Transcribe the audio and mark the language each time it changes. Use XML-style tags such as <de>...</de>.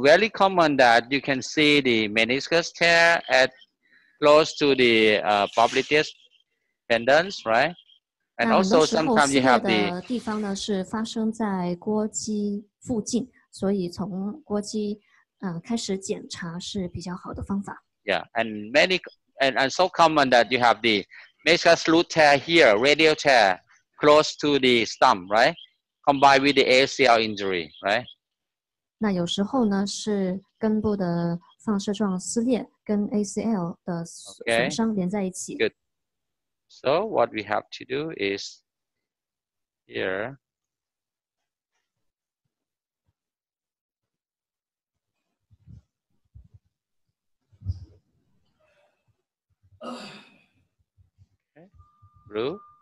<en>very common that you can see the meniscus tear at close to the popliteus tendons, right? And also sometimes you have the</en> <zh>地方呢是发生在锅机附近，所以从锅机开始检查是比较好的方法。</zh> <en>Yeah, and many and so common that you have the major slew tear here, radial tear close to the stump, right? Combined with the ACL injury, right?</en> <zh>那有时候呢是根部的放射状撕裂跟 ACL 的损伤连在一起。</zh> <en>Okay. Good. So what we have to do is here. Okay, blue.</en>